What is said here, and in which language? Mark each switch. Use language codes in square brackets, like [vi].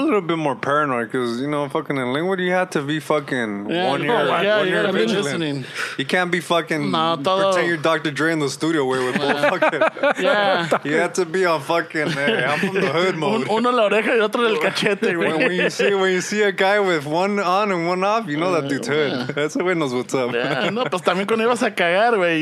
[en] I'm a little bit more paranoid because, you know, fucking in Linwood, you have to be fucking one year I've been listening. You can't be fucking pretend you're Dr. Dre in the studio where we're both fucking. Yeah. You have to be on fucking, hey, I'm from the hood mode. [es] Uno la oreja y otro del cachete, güey. [en] When you see a guy with one on and one off, you know that dude's hood. Yeah. [es] Ese güey [en] knows what's up. [es] Yeah, no, pues también cuando ibas a cagar, güey.